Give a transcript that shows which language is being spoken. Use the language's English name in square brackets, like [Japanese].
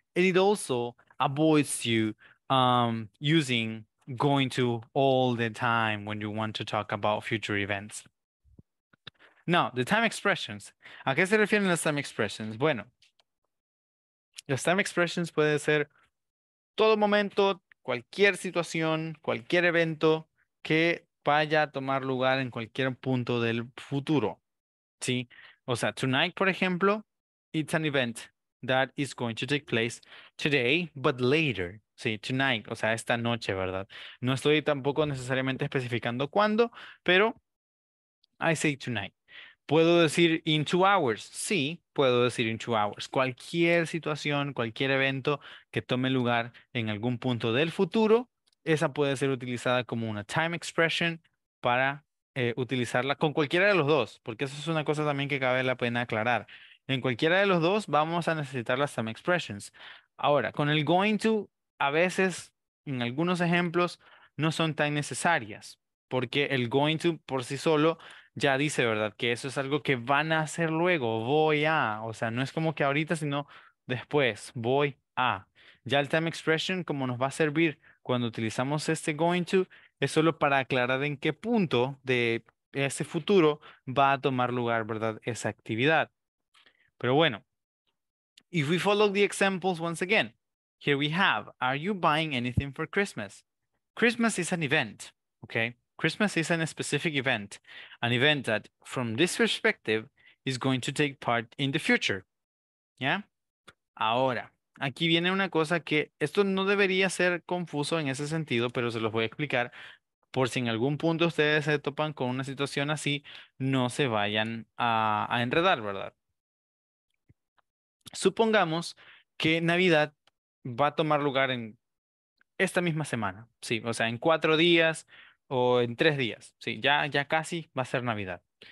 [English] And it also avoids you using going to all the time when you want to talk about future events. Now, the time expressions. [Spanish] ¿A qué se refieren las [English] time expressions? [Spanish] Bueno, las time expressions puede ser todo momento, cualquier situación, cualquier evento que vaya a tomar lugar en cualquier punto del futuro. ¿Sí? [English] O sea, tonight, por ejemplo, it's an event that is going to take place today, but later. [Spanish] Sí, tonight, o sea, esta noche, ¿verdad? No estoy tampoco necesariamente especificando cuándo, pero [English] I say tonight. [Spanish] ¿Puedo decir [English] in 2 hours? [Spanish] Sí, puedo decir in 2 hours. Cualquier situación, cualquier evento que tome lugar en algún punto del futuro, esa puede ser utilizada como una time expression para utilizarla con cualquiera de los dos, porque eso es una cosa también que cabe la pena aclarar. En cualquiera de los dos vamos a necesitar las time expressions. Ahora, con el going to, a veces, en algunos ejemplos, no son tan necesarias, porque el going to por sí solo ya dice, ¿verdad? Que eso es algo que van a hacer luego, voy a, o sea, no es como que ahorita, sino después, voy a. Ya el time expression, como nos va a servir cuando utilizamos este going to, es solo para aclarar en qué punto de ese futuro va a tomar lugar, ¿verdad? Esa actividad. Pero bueno, [English] if we follow the examples once again, here we have, are you buying anything for Christmas? Christmas is an event, okay? Christmas is a specific event, an event that, from this perspective, is going to take part in the future, yeah? [Spanish] Ahora, aquí viene una cosa que esto no debería ser confuso en ese sentido, pero se los voy a explicar por si en algún punto ustedes se topan con una situación así, no se vayan a enredar, ¿verdad? Supongamos que Navidad va a tomar lugar en esta misma semana, sí, o sea, en 4 días o en 3 días, sí, ya casi va a ser Navidad.